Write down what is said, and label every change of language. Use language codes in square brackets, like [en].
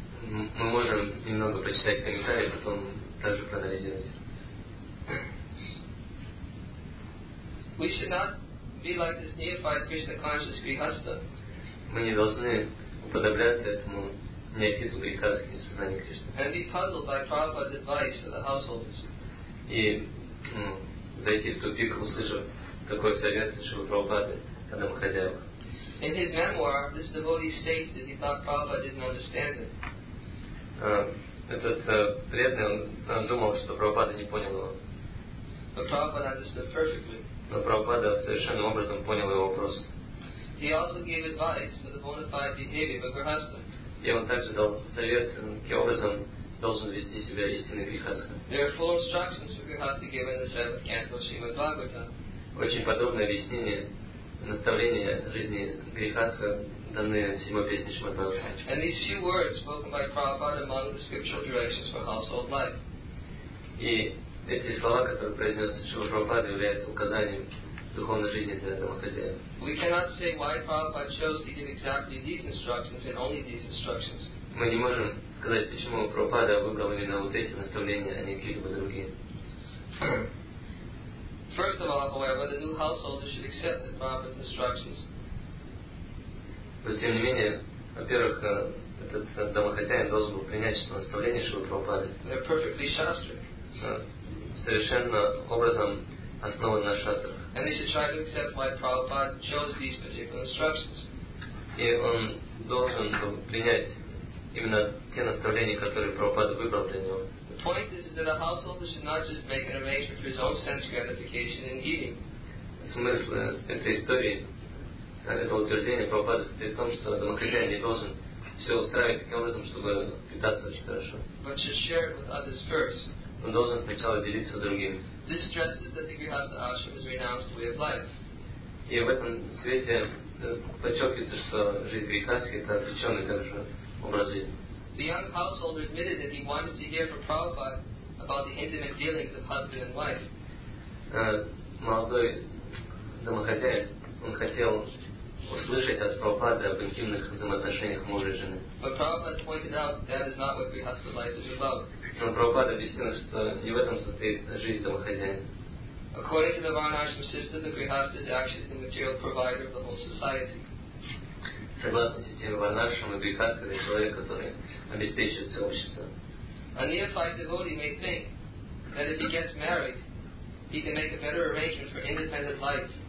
[ru] Мы можем немного прочитать комментарии, потом также проанализировать. [en] We should not be like this neophyte Krishna conscious grihastha. [ru] Мы не должны уподобляться этому неофиту грихастхи в сознании Кришны. [en] And be puzzled by Prabhupada's advice for the householders. [ru] И зайти в тупик, услышав такой совет Шрилы Прабхупады о домохозяевах. [en] In his memoir, this devotee states that he thought Prabhupada didn't understand it. [ru] Этот преданный, он думал, что Прабхупада не понял его. [en] But Prabhupada understood perfectly. [ru] Но Прабхупада совершенным образом понял его вопрос. [en] He also gave advice for the bona fide behavior of a grihastha. [ru] И он также дал совет, каким образом должен вести себя истинный грихастха. [en] There are full instructions for grihastha given in the seventh canto of Srimad Bhagavatam. [ru] Очень подробное объяснение наставления жизни грихастха данные в седьмой песне Шримад Бхагаватам. [en] And these few words spoken by Prabhupada among the scriptural directions for household life. [ru] И эти слова, которые произнес Шрила Прабхупада, являются указанием духовной жизни для домохозяина. [en] We cannot say why Prabhupada chose to give exactly these instructions and only these instructions. [ru] Мы не можем сказать, почему Прабхупада выбрал именно вот эти наставления, а не какие-либо другие. [en] First of all, however, the new householder should accept the Prabhupada's instructions. [ru] Но тем не менее, во-первых, этот домохозяин должен был принять что наставление Шрилы Прабхупады. [en] They're perfectly shastric. [ru] Совершенно образом основан на шастрах. [en] And they should try to accept why Prabhupada chose these particular instructions. [ru] И он должен был принять именно те наставления, которые Прабхупада выбрал для него. [en] The point is that a householder should not just make an arrangement for his own sense gratification in eating. [ru] Смысл этой истории, это утверждение Прабхупады состоит в том, что домохозяин не должен все устраивать таким образом, чтобы питаться очень хорошо. [en] But should share it with others first. [ru] Он должен сначала делиться с другими. [en] This stresses that the grihastha ashram is a renounced way of life. [ru] И в этом свете подчеркивается, что жизнь грихастхи это отреченный также образ жизни. [en] The young householder admitted that he wanted to hear from Prabhupada about the intimate dealings of husband and wife. [ru] Молодой домохозяин, он хотел услышать от Прабхупады об интимных взаимоотношениях мужа и жены. [en] But Prabhupada pointed out that is not what grihastha life is about. [ru] Но Прабхупада объяснил, что не в этом состоит жизнь домохозяина. [en] According to the Varnashram system, the grihastha is actually the material provider of the whole society. [ru] Согласно системе Варнашрама, грихастха — это человек, который обеспечивает все общество. [en] A neophyte devotee may think that if he gets married, he can make a better arrangement for independent life.